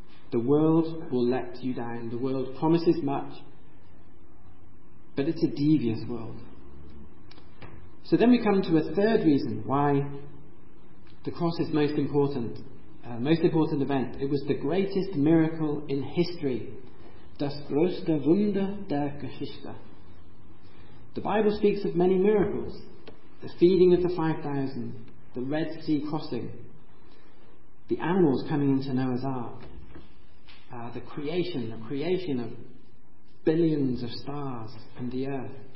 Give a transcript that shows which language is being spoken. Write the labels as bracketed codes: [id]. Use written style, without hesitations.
[en] The world will let you down. The world promises much, But it's a devious world. So then we come to a third reason why the cross is most important event. It was the greatest miracle in history. [de] Das größte Wunder der Geschichte. [en] The Bible speaks of many miracles. The feeding of the 5,000. The Red Sea crossing. The animals coming into Noah's Ark. The creation of billions of stars and the earth.